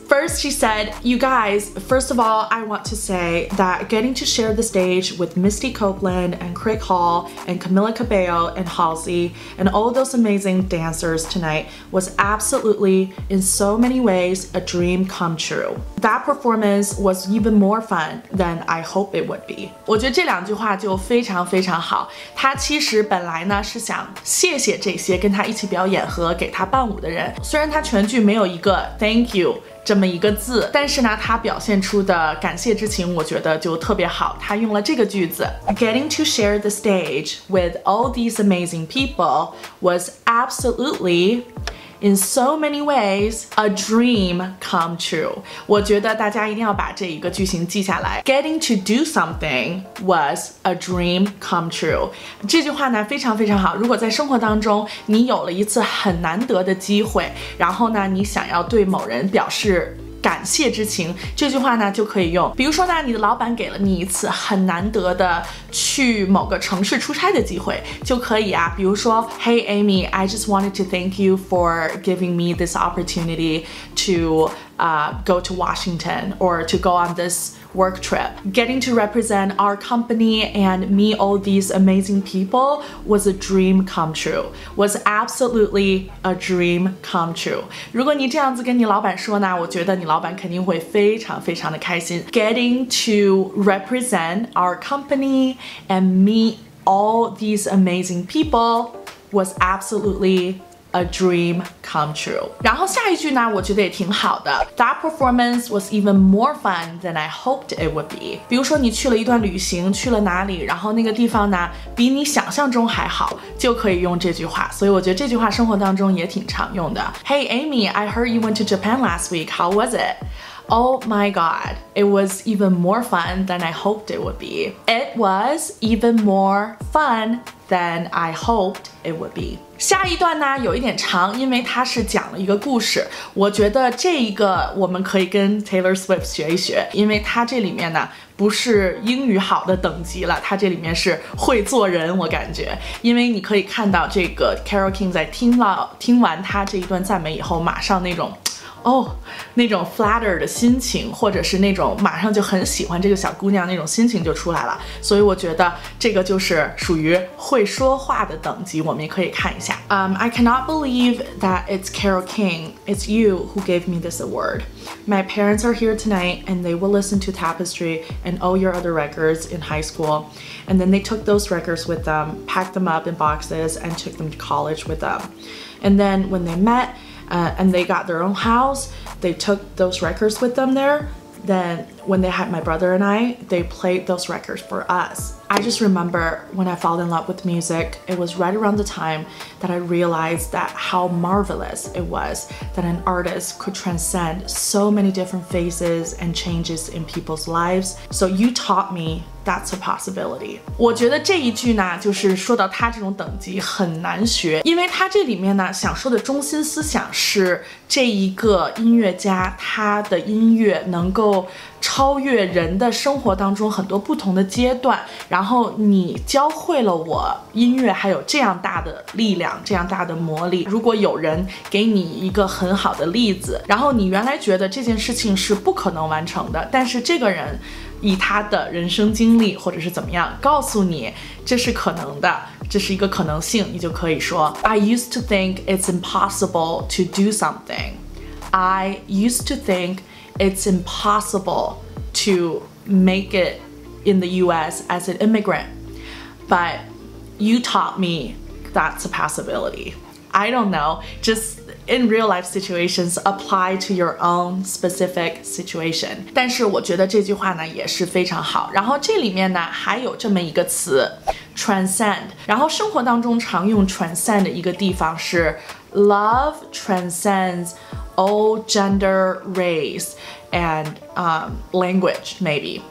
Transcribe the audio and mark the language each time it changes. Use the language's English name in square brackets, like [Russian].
[English] First, she said, "You guys, first of all, I want to say that getting to share the stage with Misty Copeland and Craig Hall and Camila Cabello and Halsey and all those amazing dancers tonight was absolutely, in so many ways, a dream come true. That performance was even more fun than I hope it would be." [Chinese] 我觉得这两句话就非常非常好。她其实本来呢是想谢谢这些跟她一起表演和给她伴舞的人。虽然他全句没有一个 [English] thank you [Chinese] 这么一个字，但是呢，他表现出的感谢之情我觉得就特别好。他用了这个句子， [English] Getting to share the stage with all these amazing people was absolutely, in so many ways, a dream come true. [Chinese] 我觉得大家一定要把这一个句型记下来。 [English] Getting to do something was a dream come true. [Chinese] 这句话呢非常非常好。如果在生活当中你有了一次很难得的机会，然后呢你想要对某人表示感谢之情，这句话呢就可以用。比如说呢，你的老板给了你一次很难得的去某个城市出差的机会，就可以啊。比如说 ， [English] Hey Amy, I just wanted to thank you for giving me this opportunity to go to Washington or to go on this work trip. Getting to represent our company and meet all these amazing people was a dream come true. Was absolutely a dream come true. [Chinese] 如果你这样子跟你老板说呢，我觉得你老板肯定会非常非常的开心。 [English] Getting to represent our company and meet all these amazing people was absolutely a dream come true. [Chinese] 然后下一句呢，我觉得也挺好的。 [English] That performance was even more fun than I hoped it would be. [Chinese] 比如说你去了一段旅行，去了哪里，然后那个地方呢，比你想象中还好，就可以用这句话。所以我觉得这句话生活当中也挺常用的。 [English] Hey Amy, I heard you went to Japan last week. How was it? Oh my god, it was even more fun than I hoped it would be. It was even more fun than I hoped it would be. [Chinese] 下一段呢有一点长，因为它是讲了一个故事。我觉得这一个我们可以跟 Taylor Swift 学一学，因为它这里面呢不是英语好的等级了，它这里面是会做人，我感觉。因为你可以看到这个 Carole King 在听完他这一段赞美以后，马上那种那种 flatter 的心情，或者是那种马上就很喜欢这个小姑娘那种心情就出来了。所以我觉得这个就是属于会说话的等级，我们也可以看一下。 [English] I cannot believe that it's Carole King, it's you who gave me this award. My parents are here tonight and they will listen to Tapestry and all your other records in high school. And then they took those records with them, packed them up in boxes and took them to college with them. And then when they metand they got their own house, they took those records with them there. Then when they had my brother and I, they played those records for us. I just remember when I fell in love with music, it was right around the time that I realized that how marvelous it was that an artist could transcend so many different phases and changes in people's lives. So you taught me that's a possibility. [Chinese] 我觉得这一句呢就是说到他这种等级很难学，因为他这里面呢想说的中心思想是这一个音乐家他的音乐能够超越人的生活当中很多不同的阶段，然后你教会了我音乐还有这样大的力量，这样大的魔力。如果有人给你一个很好的例子，然后你原来觉得这件事情是不可能完成的，但是这个人以他的人生经历或者是怎么样告诉你这是可能的，这是一个可能性，你就可以说 [English] I used to think it's impossible to do something. I used to think it's impossible to make it in the US as an immigrant. But you taught me that's a possibility. I don't know, just in real life situations, apply to your own specific situation. [Chinese] 但是我觉得这句话呢也是非常好。然后这里面呢还有这么一个词 transcend. 然后生活当中常用 transcend 的一个地方是 [English] love transcends all gender, race, and language, maybe.